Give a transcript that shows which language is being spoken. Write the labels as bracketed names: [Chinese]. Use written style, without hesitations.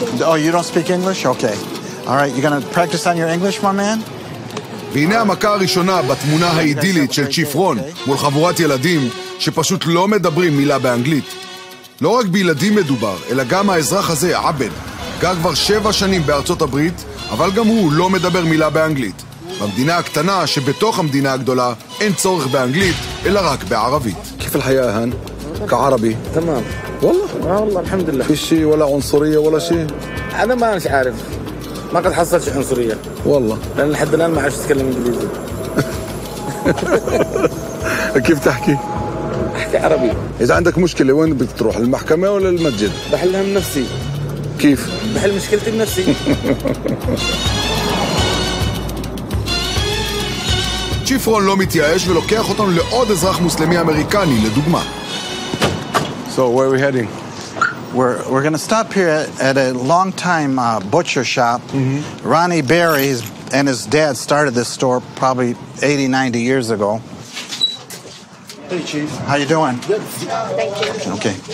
[English] Oh, you don't speak English? Okay. All right, you're going to practice on your English, my man? [Hebrew] והנה המכה הראשונה בתמונה האידילית של צ'יף רון מול חבורת ילדים שפשוט לא מדברים מילה באנגלית. לא רק בילדים מדובר, אלא גם האזרח הזה, עבד, גר כבר 7 שנים בארצות הברית, אבל גם הוא לא מדבר מילה באנגלית. במדינה הקטנה שבתוך המדינה הגדולה אין צורך באנגלית, אלא רק בערבית. [Arabic] كيف الحياة هان؟ كعربي تمام والله والله الحمد لله في شيء ولا عنصريه ولا شيء انا ما مش عارف ما قد حصلت عنصريه والله لان لحد الان ما عرفت اتكلم انجليزي كيف تحكي احكي عربي اذا عندك مشكله وين بدك تروح المحكمه ولا المسجد بحلها بنفسي كيف بحل مشكلتي بنفسي [Hebrew] צ'יף רון לא מתייאש ולוקח אותנו לעוד אזרח מוסלמי אמריקני לדוגמה. [English] So where are we heading? We're going to stop here at a long time butcher shop. Mm-hmm. Ronnie Berry and his dad started this store probably 80, 90 years ago. Hey, Chief. How you doing? Good. Thank you. Okay.